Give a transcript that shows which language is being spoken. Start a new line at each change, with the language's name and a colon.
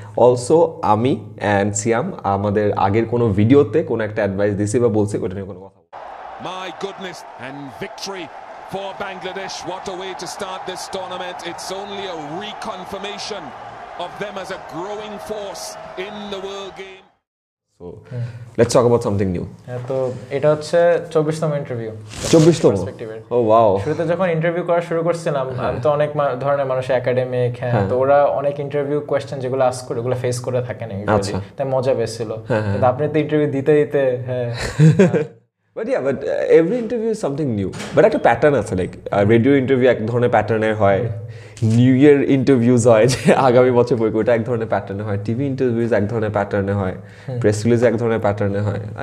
Bangla: Also আমি and সিয়াম আমাদের আগের কোনো ভিডিওতে কোনো একটা অ্যাডভাইস দিছি বা বলছি ওটা নিয়ে কোনো কথা বলবো।
English: My goodness and victory for Bangladesh, what a way to start this tournament, it's only a reconfirmation of them as a growing force in the world game. So let's talk about something new.
Bangla: তো এটা হচ্ছে 24তম interview. 24তম? ও wow. শুরুতে যখন interview করা শুরু করছিলাম, আমি তো অনেক ধরনের মানুষ একাডেমিক, হ্যাঁ, তো ওরা অনেক ইন্টারভিউ কোশ্চেন যেগুলো আস্ক করে ওগুলো ফেস করে থাকে না, তাই মজা পেয়েছিল। তো আপনি তো ইন্টারভিউ দিতে দিতে, হ্যাঁ,
English: but yeah, but every interview is something new,
Bangla: but একটা প্যাটার্ন আছে, লাইক রেডিও ইন্টারভিউ এক ধরনের প্যাটার্নের হয়, নিউ ইয়ার ইন্টারভিউজ হয় যে আগামী বছর বইকে ওটা এক ধরনের প্যাটার্নে হয়, টিভি ইন্টারভিউজ এক ধরনের প্যাটার্নে হয়, প্রেস রিলিজ এক ধরনের প্যাটার্নে হয়।